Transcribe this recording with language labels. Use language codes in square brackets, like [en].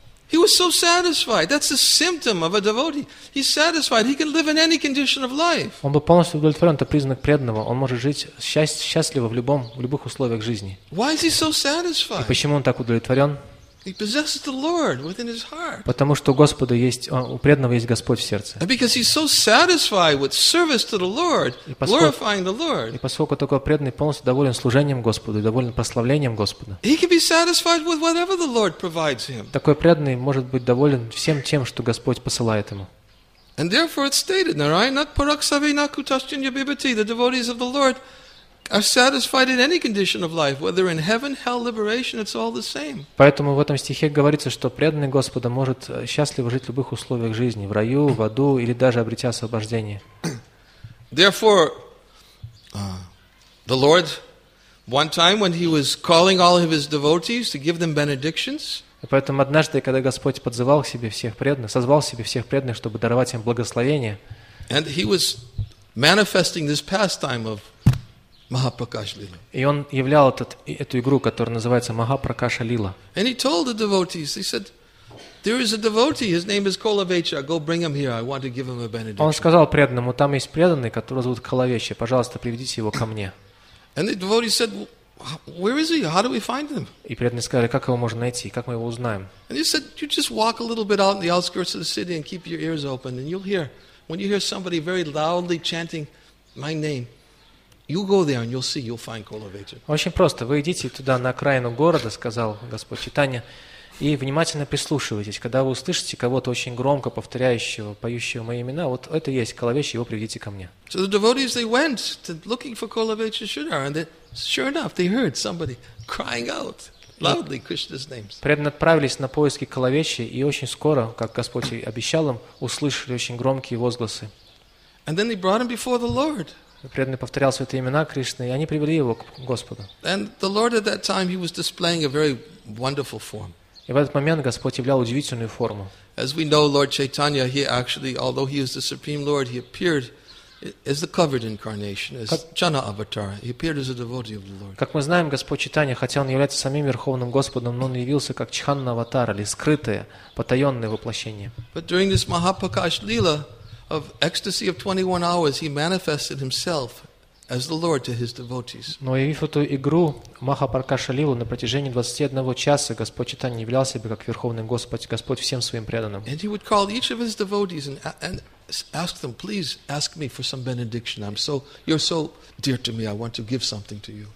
[en] He was so satisfied. That's a symptom of a devotee. He's satisfied. He can live in any condition of life. [ru] Он был полностью удовлетворен. Это признак преданного. Он может жить счастливо в любых условиях жизни. [en] Why is he so satisfied? [ru] И почему он так удовлетворен? [en] He possesses the Lord within his heart. [ru] Потому что у преданного есть Господь в сердце. [en] And because he's so satisfied with service to the Lord, glorifying the Lord. [ru] И поскольку такой преданный полностью доволен служением Господу и доволен прославлением Господа. [en] He can be satisfied with whatever the Lord provides him. [ru] Такой преданный может быть доволен всем тем, что Господь посылает ему. [en] And therefore it's stated, [sa] Narayana Paraksavena Kutaschanya Bibhati, [en] the devotees of the Lord are satisfied in any condition of life, whether in heaven, hell, liberation, it's all the same. [ru] Поэтому в этом стихе говорится, что преданный Господа может счастливо жить в любых условиях жизни, в раю, в аду или даже обретя освобождение. [en] Therefore, the Lord, one time when he was calling all of his devotees to give them benedictions, [ru] поэтому однажды, когда Господь подзывал к себе всех преданных, созвал к себе всех преданных, чтобы даровать им благословение, [en] and he was manifesting this pastime of Mahaprakash Lila. [ru] И он являл эту игру, которая называется Mahaprakasha Lila. [en] And he told the devotees, he said, "There is a devotee, his name is Kulavecha. Go bring him here. I want to give him a benediction." [ru] Он сказал преданному: "Там есть преданный, которого зовут Калавеча. Пожалуйста, приведите его ко мне." [en] And the devotee said, "Where is he? How do we find him?" [ru] И преданный сказал: "Как его можно найти? Как мы его узнаем?" [en] And he said, "You just walk a little bit out in the outskirts of the city and keep your ears open, and you'll hear when you hear somebody very loudly chanting my name." You go there and you'll see, you'll find Kulavecha. [ru] Очень просто. Вы идите туда на окраину города, сказал Господь Чайтанья, и внимательно прислушивайтесь. Когда вы услышите кого-то очень громко повторяющего, поющего мои имена, вот это есть Kulavecha, его приведите ко мне. [en] So the devotees, they went to looking for Kulavecha Sridhara, and sure enough, they heard somebody crying out loudly Krishna's names. [ru] Преданные отправились на поиски Kulavecha, и очень скоро, как Господь обещал им, услышали очень громкие возгласы. [en] And then they brought him before the Lord. [ru] Преданный повторял святые имена Кришны, и они привели его к Господу. [en] And the Lord at that time, he was displaying a very wonderful form. [ru] И в этот момент Господь являл удивительную форму. [en] As we know, Lord Chaitanya, he actually, although he is the Supreme Lord, he appeared as the covered incarnation, as Chana Avatar. He appeared as a devotee of the Lord. [ru] Как мы знаем, Господь Чайтанья, хотя он является самим Верховным Господом, но он явился как Чхана Аватар, или скрытое, потаенное воплощение. [en] But during this Mahapakash Lila of ecstasy of 21 hours, he manifested himself as the Lord to his devotees. [ru] Но явив эту игру Махапракаша Лилу на протяжении 21 часа, Господь Чайтанья являл себя как Верховный Господь, Господь всем своим преданным. [en] And he would call each of his devotees and ask them, please ask me for some benediction. I'm so, you're so dear to me. I want to give something to you.